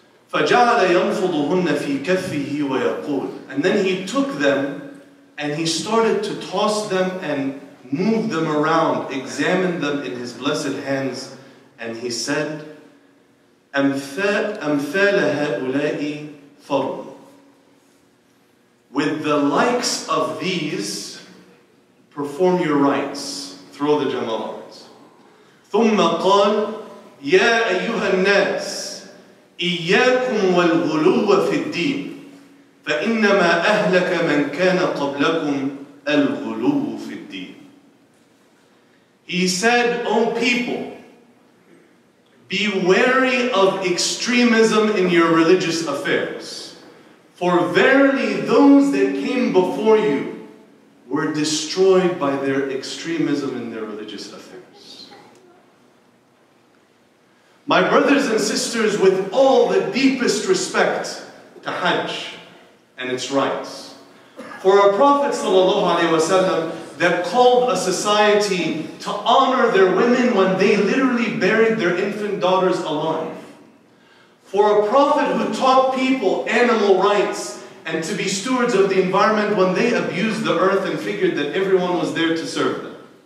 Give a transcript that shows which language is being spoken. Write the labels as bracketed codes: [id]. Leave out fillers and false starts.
[ar] فَجَعَلَ يَنْفُضُهُنَّ فِي كَفِّهِ وَيَقُولُ [en] And then he took them and he started to toss them and move them around, examine them in his blessed hands. And he said, [ar] أَمْثَالَ هَؤُلَاءِ فَرْمُ [en] With the likes of these, perform your rites, throw the jamalat. [ar] ثُمَّ قَالْ يَا أَيُّهَا النَّاسِ إِيَّاكُمْ وَالْغُلُوَّ فِي الدِّينِ فَإِنَّمَا أَهْلَكَ مَنْ كَانَ قَبْلَكُمْ الْغُلُوُّ فِي الدِّينِ [en] He said, O people, be wary of extremism in your religious affairs. For verily those that came before you were destroyed by their extremism in their religious affairs. My brothers and sisters, with all the deepest respect to Hajj and its rites, for our Prophet sallallahu alaihi wasallam that called a society to honor their women when they literally buried their infant daughters alive, for a prophet who taught people animal rights and to be stewards of the environment when they abused the earth and figured that everyone was there to serve them.